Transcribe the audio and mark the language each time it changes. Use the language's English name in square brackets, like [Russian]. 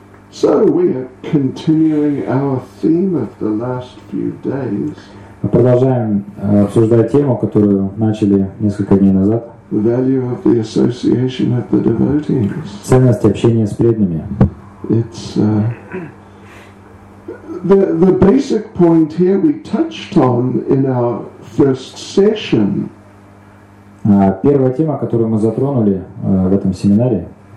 [English] So we are continuing our theme of the last few days. [Russian] Мы продолжаем обсуждать тему, которую начали несколько дней назад. [English] The value of the association of the devotees. [Russian] Ценность общения с преданными. [English] It's the basic point here we touched on in our first session. [Russian] Первая тема, которую мы затронули в этом семинаре.